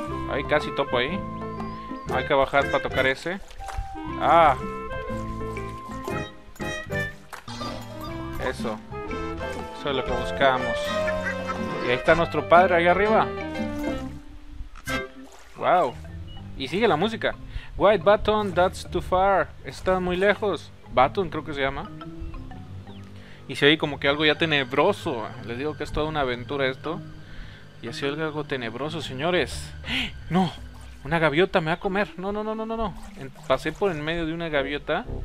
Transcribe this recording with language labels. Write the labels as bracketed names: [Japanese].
[Spanish] Ahí casi topo ahí. Hay que bajar para tocar ese. Ah. Eso. Eso es lo que buscábamos. Y ahí está nuestro padre, ahí arriba. Wow. Y sigue la música. [English] White button, that's too far. [Spanish] Está muy lejos. Button, creo que se llama. Y se oye como que algo ya tenebroso. Les digo que es toda una aventura esto. Y así oye algo tenebroso, señores. ¡No! Una gaviota me va a comer. No. Pasé por en medio de una gaviota.